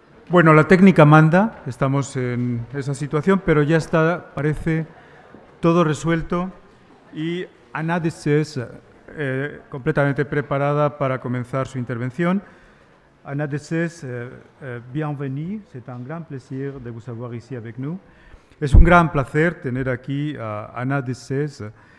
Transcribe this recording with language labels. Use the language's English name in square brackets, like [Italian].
[Spanish] Bueno, la técnica manda, estamos en esa situación, pero ya está, parece, todo resuelto y Ana de César, completamente preparada para comenzar su intervención. [French] Ana de César, bienvenue, c'est un grand plaisir de vous avoir ici avec nous. [Spanish] Es un gran placer tener aquí a Ana de César.